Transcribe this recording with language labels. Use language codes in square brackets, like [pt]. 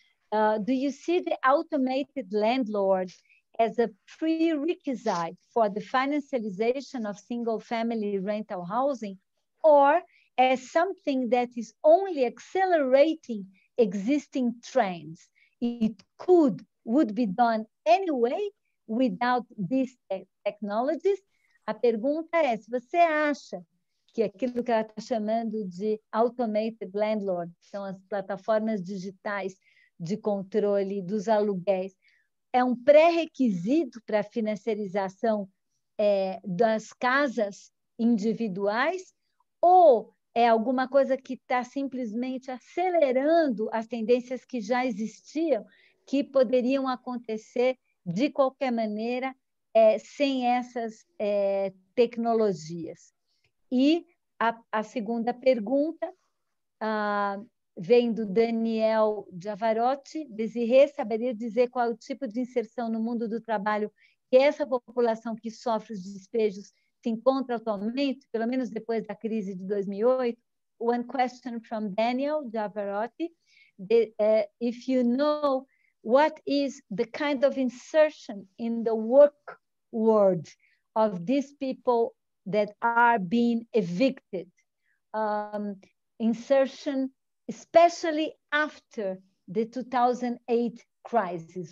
[en] Do you see the automated landlord as a prerequisite for the financialization of single-family rental housing, or as something that is only accelerating existing trends? It would be done anyway without these technologies. [pt] A pergunta é, se você acha que aquilo que ela está chamando de automated landlord, são as plataformas digitais de controle dos aluguéis, é um pré-requisito para a financiarização das casas individuais, ou é alguma coisa que está simplesmente acelerando as tendências que já existiam, que poderiam acontecer de qualquer maneira sem essas tecnologias? E a segunda pergunta vem do Daniel Giavarotti. Desirê, saberia dizer qual é o tipo de inserção no mundo do trabalho que essa população que sofre os despejos se encontra atualmente, pelo menos depois da crise de 2008? [en] One question from Daniel Giavarotti. If you know, what is the kind of insertion in the work world of these people that are being evicted? Insertion, especially after the 2008 crisis.